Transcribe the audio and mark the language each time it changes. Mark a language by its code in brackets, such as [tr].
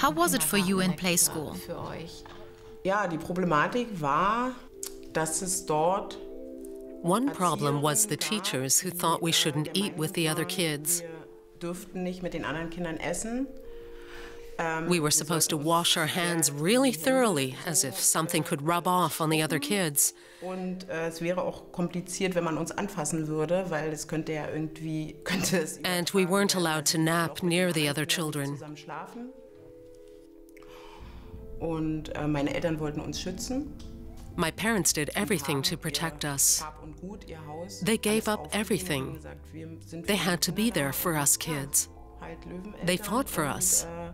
[en] How was it for you in play school? [de] Ja, die Problematik war, dass es dort. [en] One problem was the teachers who thought we shouldn't eat with the other kids. [de] Wir dürften nicht mit den anderen Kindern essen. [en] We were supposed to wash our hands really thoroughly, as if something could rub off on the other kids. [de] Und es wäre auch kompliziert, wenn man uns anfassen würde, weil es könnte ja irgendwie könnte es. [en] And we weren't allowed to nap near the other children. [de] Und meine Eltern wollten uns schützen. [en] My parents did everything to protect us. They gave up everything. They had to be there for us kids. They fought for us.